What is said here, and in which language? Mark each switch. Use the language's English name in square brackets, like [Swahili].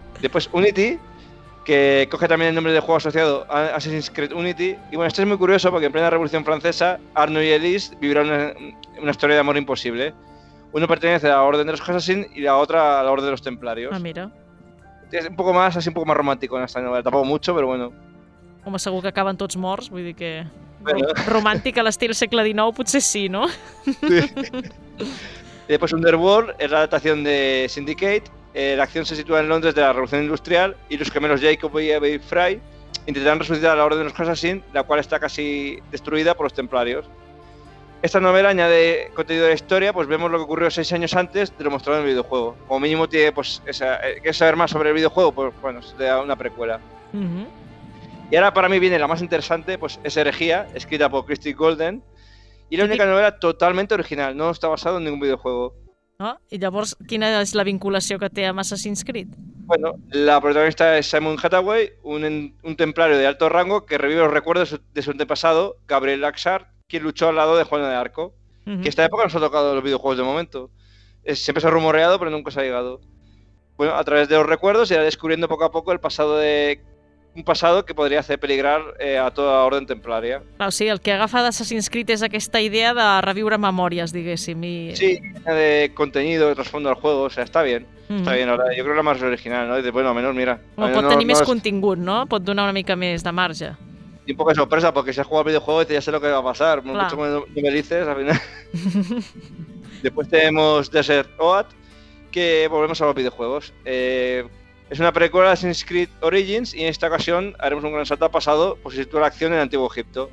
[Spanish] Después Unity, que coge también el nombre del juego asociado a Assassin's Creed Unity. Y bueno, esto es muy curioso porque en plena Revolución Francesa, Arnaud y Elise vivirán una historia de amor imposible. Uno pertenece a la Orden de los Assassins y la otra a la Orden de los Templarios. Ah, mira. Es un poco más, así un poco más romántico en esta novela. Tampoco mucho, pero bueno. [Catalan] Home, segur que acaben tots morts, vull dir que... Bueno. Romàntic a l'estil segle XIX potser sí, no? [Spanish] Sí. Después Underworld es la adaptación de Syndicate. La acción se sitúa en Londres de la Revolución Industrial y los gemelos Jacob y Abbey Fry intentarán resucitar la Orden de los Assassins, la cual está casi destruida por los templarios. Esta novela añade contenido de la historia, pues vemos lo que ocurrió 6 años antes de lo mostrado en el videojuego. Como mínimo tiene, pues, que saber más sobre el videojuego, pues bueno, se le da una precuela. Uh-huh. Y ahora para mí viene la más interesante, pues es Herejía, escrita por Christie Golden, y la única novela totalmente original, no está basada en ningún videojuego. [Catalan] Ah, i llavors, quina és la vinculació que té amb Assassin's Creed? [Spanish] Bueno, la protagonista es Simon Hathaway, un templario de alto rango que revive los recuerdos de su antepasado, Gabriel Laxart, quien luchó al lado de Juana de Arco, que esta época nos ha tocado los videojuegos de momento. Siempre se ha rumoreado, pero nunca se ha llegado. Bueno, a través de los recuerdos irá descubriendo poco a poco el pasado de... un pasado que [Catalan] podria fer peligrar a tota l'Orden Templària. Clar, o sigui, el que agafa d'Assassin's Creed és aquesta idea de reviure memòries, diguéssim. I... [Spanish] Sí, de contenido, de trasfondo del juego, o sea, está bien. Mm-hmm. Está bien, ahora, yo creo que la más original, ¿no? Bueno, menos, mira. [Catalan] Bueno, pot tenir més contingut, no? Pot donar una mica més de marge. [Spanish] Y un poco de sorpresa, porque si has jugado al videojuego ya sé lo que va a pasar. Claro. Mucho menos no me dices, al final. Después tenemos Desert Oath, que volvemos a los videojuegos. Es una precuela de Assassin's Creed Origins y en esta ocasión haremos un gran salto al pasado por pues, situar la acción en Antiguo Egipto.